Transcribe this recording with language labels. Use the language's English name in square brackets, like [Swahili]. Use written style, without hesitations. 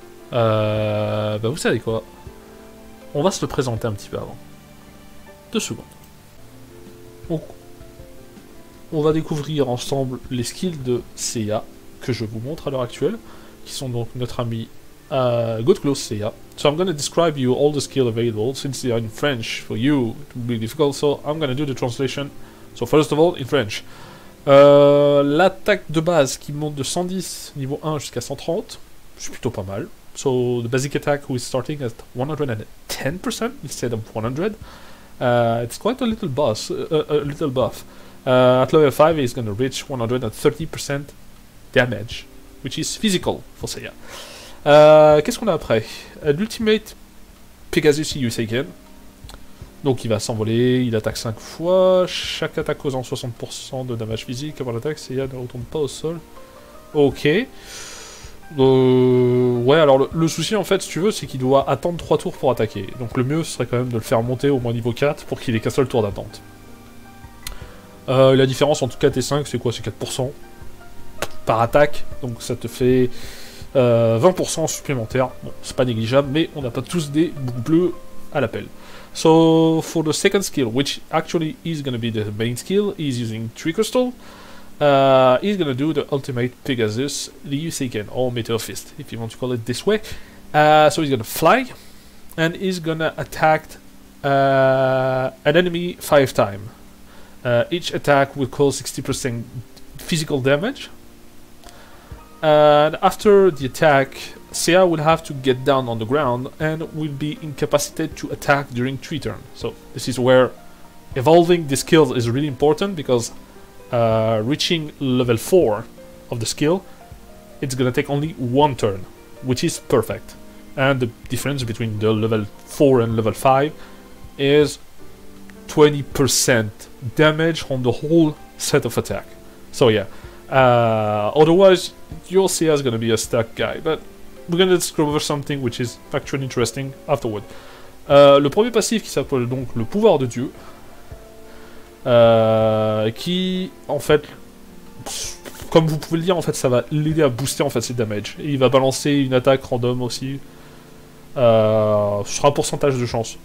[French] Bah vous savez quoi? On va se le présenter un petit peu avant. 2 secondes. Donc, on va découvrir ensemble les skills de Seiya que je vous montre à l'heure actuelle, qui sont donc notre ami Godclaw Seiya. [English] So I'm gonna describe you all the skills available since they are in French for you. It will be difficult, so I'm gonna do the translation. So first of all, in French. [French] L'attaque de base qui monte de 110 niveau 1 jusqu'à 130, c'est plutôt pas mal. [English] So the basic attack is starting at 110% instead of 100. It's quite a little buff. At level 5, he's gonna reach 130% damage, which is physical for Seiya. [French] Qu'est-ce qu'on a après? L'ultimate Pegasus Yusaken. Donc il va s'envoler, il attaque 5 fois, chaque attaque causant 60% de damage physique avant l'attaque, Seiya ne retombe pas au sol. Ok. Ouais, alors le souci en fait, si tu veux, c'est qu'il doit attendre 3 tours pour attaquer. Donc le mieux serait quand même de le faire monter au moins niveau 4 pour qu'il ait qu'un seul tour d'attente. La différence entre 4 et 5, c'est quoi? C'est 4% par attaque. Donc ça te fait 20% supplémentaire. Bon, c'est pas négligeable, mais on n'a pas tous des boucles bleues à l'appel. [English] So, for the second skill, which actually is gonna be the main skill, he's using Tree Crystal. He's gonna do the ultimate Pegasus Yusaken, or Meteor Fist, if you want to call it this way. So he's gonna fly, and he's gonna attack an enemy 5 times. Each attack will cause 60% physical damage. And after the attack, Seiya will have to get down on the ground and will be incapacitated to attack during 3 turns. So this is where evolving the skills is really important, because reaching level 4 of the skill, it's gonna take only 1 turn, which is perfect. And the difference between the level 4 and level 5 is 20% damage on the whole set of attack. So yeah, otherwise your Seiya is gonna be a stuck guy, but we're gonna discover something which is actually interesting afterward. [French] Le premier passif qui s'appelle donc le pouvoir de Dieu, qui en fait, comme vous pouvez le dire, en fait, ça va l'aider à booster en fait ses damage. Et il va balancer une attaque random aussi sur un pourcentage de chance.